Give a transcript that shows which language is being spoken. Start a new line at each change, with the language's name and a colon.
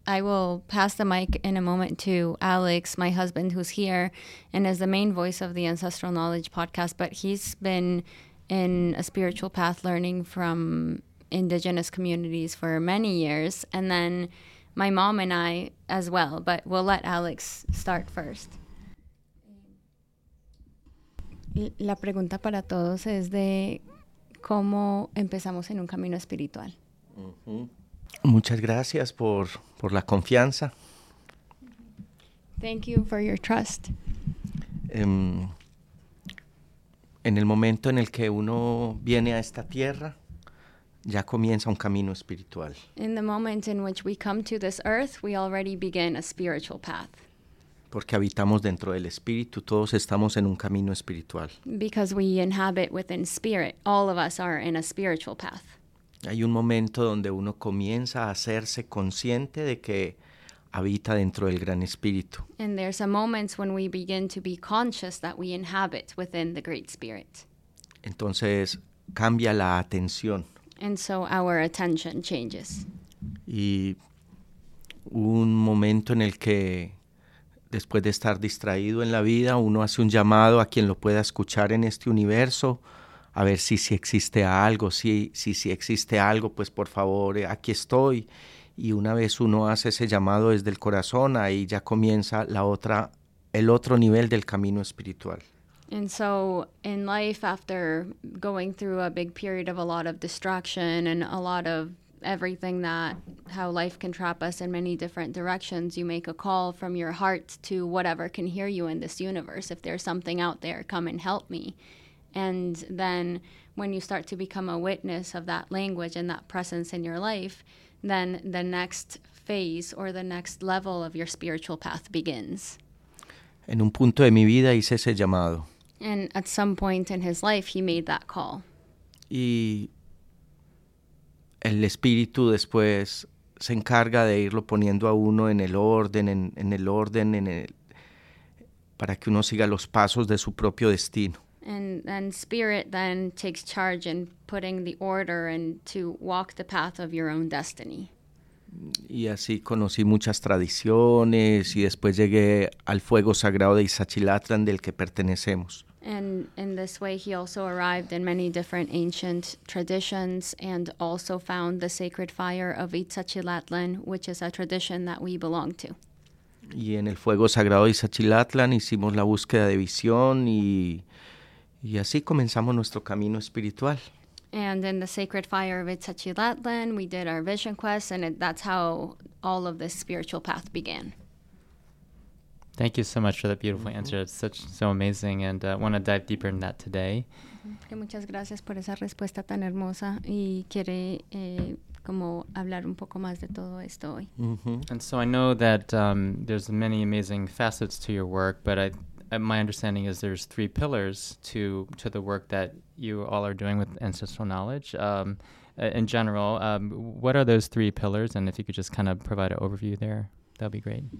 English: I will pass the mic in a moment to Alex, my husband, who's here and is the main voice of the Ancestral Knowledge podcast, but he's been in a spiritual path learning from indigenous communities for many years. And then my mom and I as well, but we'll let Alex start first.
Spanish: La pregunta para todos es de cómo empezamos en un camino espiritual. Muchas gracias por la confianza.
English: Thank you for your trust.
Spanish: En el momento en el que uno viene a esta tierra, ya comienza un camino espiritual.
English: In the moment in which we come to this earth, we already begin a spiritual path.
Spanish: Porque habitamos dentro del espíritu, todos estamos en un camino espiritual.
English: Because we inhabit within spirit, all of us are in a spiritual path.
Spanish: Hay un momento donde uno comienza a hacerse consciente de que habita dentro del gran espíritu.
English: And there's a moment when we begin to be conscious that we inhabit within the great spirit.
Spanish: Entonces cambia la atención.
English: And so our attention changes.
Spanish: Y un momento en el que después de estar distraído en la vida, uno hace un llamado a quien lo pueda escuchar en este universo. A ver si existe algo, si existe algo, pues por favor, aquí estoy. Y una vez uno hace ese llamado desde el corazón, ahí ya comienza la otra, el otro nivel del camino espiritual.
English: And so in life, after going through a big period of a lot of distraction and a lot of everything that, how life can trap us in many different directions, you make a call from your heart to whatever can hear you in this universe. If there's something out there, come and help me. And then when you start to become a witness of that language and that presence in your life, then the next phase or the next level of your spiritual path begins.
Spanish: En un punto de mi vida hice ese llamado.
English: And at some point in his life, he made that call.
Spanish: Y el espíritu después se encarga de irlo poniendo a uno en el orden, en el orden, en el, para que uno siga los pasos de su propio destino.
English: And spirit then takes charge in putting the order and to walk the path of your own destiny.
Spanish: Y así conocí muchas tradiciones y después llegué al fuego sagrado de Ixachilátlan del que pertenecemos.
English: And in this way, he also arrived in many different ancient traditions and also found the sacred fire of Ixachilátlan, which is a tradition that we belong to.
Spanish: Y en el fuego sagrado de Ixachilátlan hicimos la búsqueda de visión y así comenzamos nuestro camino espiritual.
English: And in the sacred fire of Ixachilátlan, we did our vision quest, and that's how all of this spiritual path began. Thank you so much for that beautiful answer. It's such so amazing, and I want to dive deeper in that today.
Spanish: Muchas gracias por esa respuesta tan hermosa, y quiere como hablar un poco más de todo esto hoy.
English: And so I know that there's many amazing facets to your work, but my understanding is there's three pillars to the work that you all are doing with ancestral knowledge. In general, what are those three pillars? And if you could just kind of provide an overview there, that would be great.